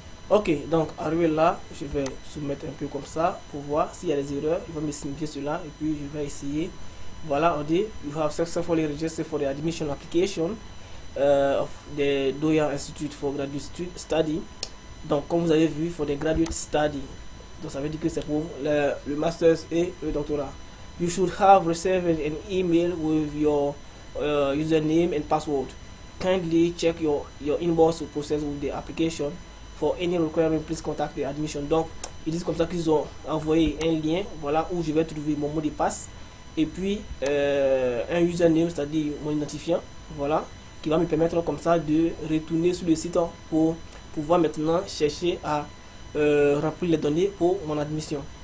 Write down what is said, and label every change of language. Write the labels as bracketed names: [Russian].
[French] Ok, donc arrivé là, je vais soumettre un peu comme ça pour voir s'il y a des erreurs. Il va me signifier cela et puis je vais essayer. Voilà, on dit [English] you have successfully registered for the admission application of the Doya Institute for Graduate Study. Donc, comme vous avez vu, for the graduate study. [French] Donc, ça veut dire que c'est pour le master et le doctorat. [English] You should have received an email with your username and password. Kindly check your inbox to process with the application. For any requirement, please contact the admission. [French] Donc, ils disent comme ça qu'ils ont envoyé un lien, voilà, où je vais trouver mon mot de passe et puis un username, c'est-à-dire mon identifiant, voilà, qui va me permettre comme ça de retourner sur le site pour pouvoir maintenant chercher à remplir les données pour mon admission.